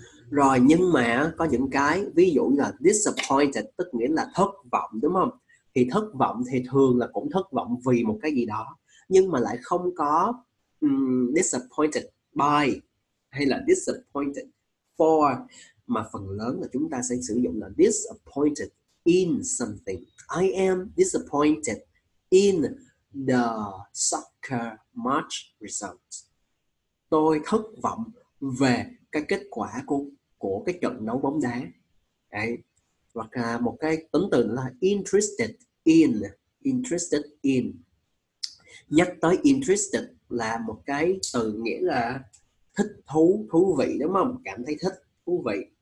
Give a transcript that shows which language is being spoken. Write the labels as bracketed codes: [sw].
[vi] Rồi, nhưng mà có những cái ví dụ như là disappointed, tức nghĩa là thất vọng đúng không? Thì thất vọng thì thường là cũng thất vọng vì một cái gì đó, nhưng mà lại không có disappointed by hay là disappointed for, mà phần lớn là chúng ta sẽ sử dụng là disappointed in something. [en] I am disappointed in the soccer match result. [vi] Tôi thất vọng về cái kết quả của cái trận đấu bóng đá đấy. Hoặc là một cái tính từ nữa là interested in, nhắc tới interested là một cái từ nghĩa là thích thú, thú vị đúng không, cảm thấy thích thú vị.